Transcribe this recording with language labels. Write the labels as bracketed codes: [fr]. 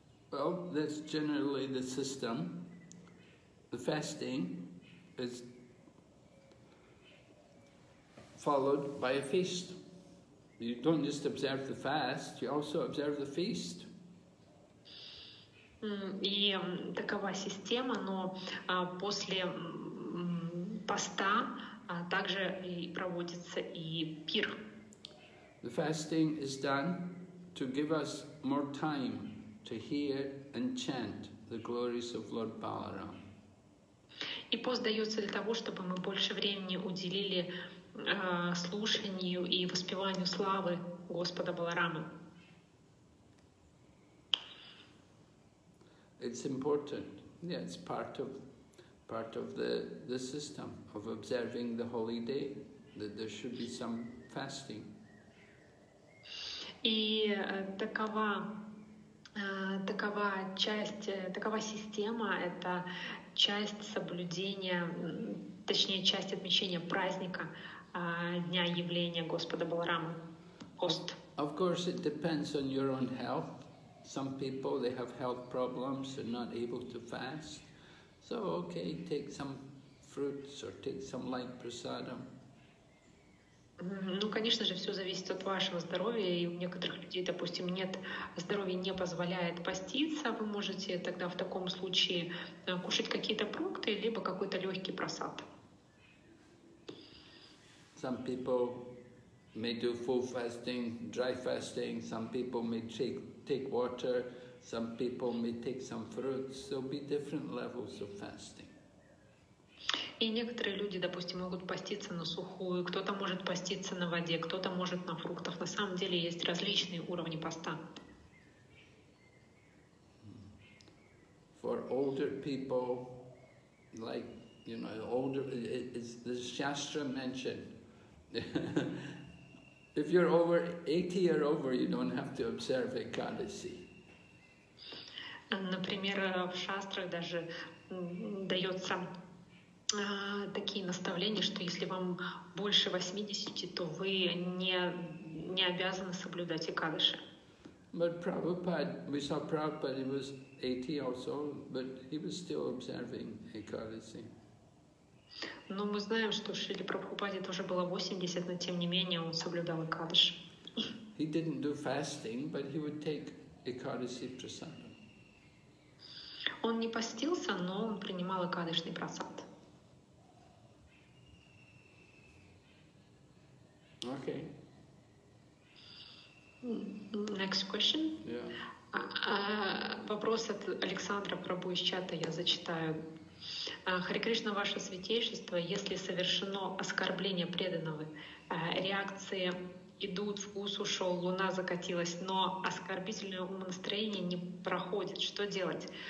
[en] Well, that's generally the system. The fasting is followed by a feast. You don't just observe the fast, you also observe the feast. [ru] И такова система, но после поста также и проводится и пир. [en] The fasting is done to give us more time to hear and chant the glories of Lord Balaram. [ru] И пост дается для того, чтобы мы больше времени уделили слушанию и воспеванию славы Господа Баларамы. [en] It's important. Yeah, it's part of the system of observing the holy day, that there should be some fasting. [ru] И такова система, это часть соблюдения, точнее часть отмечения праздника дня явления Господа Баларамы. Пост. [en] Of course, it depends on your own health. Some people, they have health problems and not able to fast. So, okay, take some fruits or take some light prasadam. [ru] Ну, конечно же, все зависит от вашего здоровья. И у некоторых людей, допустим, нет здоровья, не позволяет поститься. Вы можете тогда в таком случае кушать какие-то фрукты, либо какой-то легкий прасад. [en] Some people may do full fasting, dry fasting. Some people may take water, some people may take some fruits, there'll be different levels of fasting. [ru] И некоторые люди, допустим, могут поститься на сухую, кто-то может поститься на воде, кто-то может на фруктах. На самом деле есть различные уровни поста. [en] For older people, like, you know, older, it's the Shastra mentioned, if you're over 80 or over, you don't have to observe Ekadasi. [ru] Например, в шастрах даже дается такие наставления, что если вам больше 80, то вы не обязаны соблюдать Экадаши. [en] But Prabhupada, we saw Prabhupada, he was 80 also, but he was still observing Ekadasi. [ru] Но мы знаем, что Шрили Прабхупаде тоже было 80, но тем не менее он соблюдал Экадаши. [en] He didn't do fasting, but he would take Ekadasi prasadam. [ru] Он не постился, но он принимал Экадашный прасад. [en] Okay. Next question. Yeah. [ru] Вопрос от Александра Прабу из чата я зачитаю. Харе Кришна, ваше святейшество, если совершено оскорбление преданного, реакции идут, вкус ушел, луна закатилась, но оскорбительное умонастроение не проходит. Что делать?